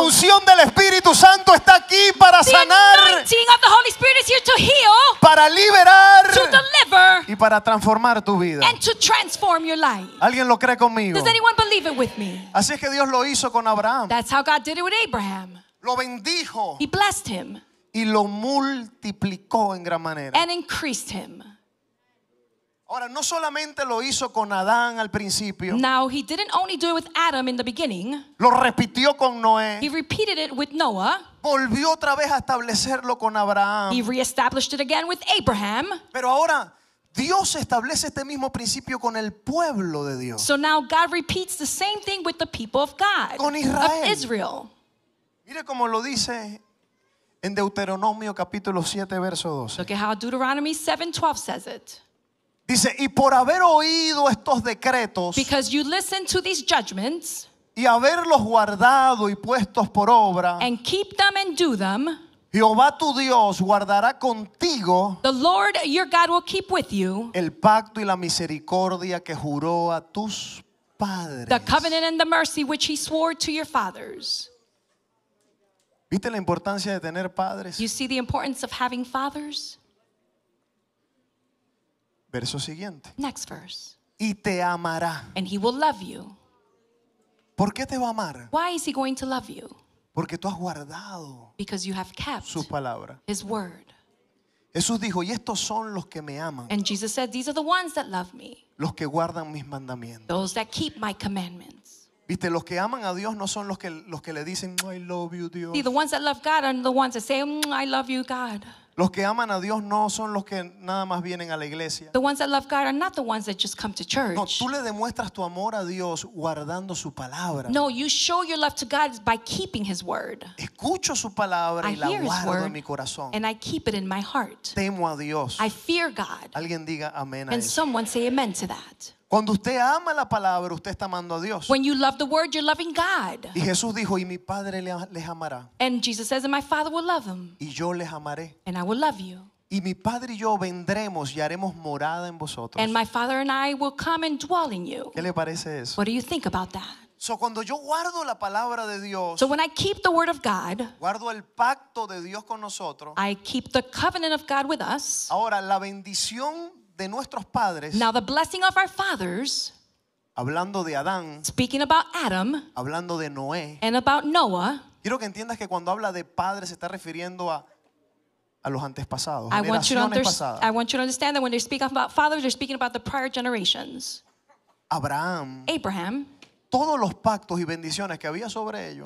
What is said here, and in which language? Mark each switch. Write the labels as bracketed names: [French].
[Spanish] La unción del Espíritu Santo está aquí para [English] the [Spanish] sanar. [English] Anointing of the Holy Spirit is here to heal. [Spanish] Para liberar. [English] To deliver [Spanish] y para transformar tu vida. [English] And to transform your life. [Spanish] ¿Alguien lo cree conmigo? [English] Does anyone believe it with me? [Spanish] Así es que Dios lo hizo con Abraham. [English] That's how God did it with Abraham. [Spanish] Lo bendijo. [English] He blessed him. [Spanish] Y lo multiplicó en gran manera. [English] And increased him. [Spanish] Ahora, no solamente lo hizo con Adán al principio. [English] Now, he didn't only do it with Adam in the beginning. [Spanish] Lo repitió con Noé. [English] He repeated it with Noah. [Spanish] Volvió otra vez a establecerlo con Abraham. [English] He reestablished it again with Abraham. [Spanish] Pero ahora, Dios establece este mismo principio con el pueblo de Dios. [English] So now God repeats the same thing with the people of God. [Spanish] Con Israel. [English] Of Israel. [Spanish] Mire cómo lo dice en Deuteronomio capítulo 7, verso 12. [English] Look at how Deuteronomy 7:12 says it. [Spanish] Dice, y por haber oído estos decretos. [English] Because you listen to these judgments. [Spanish] Y haberlos guardado y puestos por obra. [English] And keep them and do them. [Spanish] Jehová tu Dios guardará contigo. [English] The Lord your God will keep with you. [Spanish] El pacto y la misericordia que juró a tus padres. [English] The covenant and the mercy which he swore to your fathers. [Spanish] ¿Viste la importancia de tener padres? [English] You see the importance of having fathers? [Spanish] Verso siguiente. [English] Next verse. [Spanish] Y te amará. [English] And he will love you. [Spanish] ¿Por qué te va a amar? [English] Why is he going to love you? [Spanish] Porque tú has guardado. [English] Because you have kept. [Spanish] Su palabra. [English] His word. [Spanish] Jesús dijo, y estos son los que me aman. [English] And Jesus said, these are the ones that love me. [Spanish] Los que guardan mis mandamientos. [English] Those that keep my commandments. [Spanish] Viste, los que aman a Dios no son los que le dicen, [English] I love you, [Spanish] Dios. [English] See, the ones that love God are the ones that say, I love you, God. [Spanish] Los que aman a Dios no son los que nada más vienen a la iglesia. [English] The ones that love God are not the ones that just come to church. [Spanish] No, tú le demuestras tu amor a Dios guardando su palabra. [English] No, you show your love to God by keeping his word. [Spanish] Escucho su palabra [English] I [Spanish] y la guardo [English] word, [Spanish] en mi corazón. [English] And I keep it in my heart. [Spanish] Temo a Dios. [English] I fear God. [Spanish] Alguien diga amén a [English] and [Spanish] eso. [English] Someone say amen to that. [Spanish] Cuando usted ama la palabra, usted está amando a Dios. [English] When you love the word, you're loving God. [Spanish] Y Jesús dijo, y mi Padre les amará. [English] And Jesus says, and my Father will love them. [Spanish] Y yo les amaré. [English] And I will love you. [Spanish] Y mi Padre y yo vendremos y haremos morada en vosotros. [English] And my Father and I will come and dwell in you. [Spanish] ¿Qué le parece eso? [English] What do you think about that? [Spanish] So cuando yo guardo la palabra de Dios, [English] so when I keep the word of God, [Spanish] guardo el pacto de Dios con nosotros, [English] I keep the covenant of God with us. [Spanish] Ahora la bendición de nuestros padres, [English] now the blessing of our fathers, [Spanish] hablando de Adán, [English] speaking about Adam, [Spanish] hablando de Noé, [English] and about Noah. [Spanish] Quiero que entiendas que cuando habla de padres se está refiriendo a los antepasados, [English] I want you to understand that when they speak about fathers, they're speaking about the prior generations. [Spanish] Abraham. Todos los pactos y bendiciones que había sobre ellos.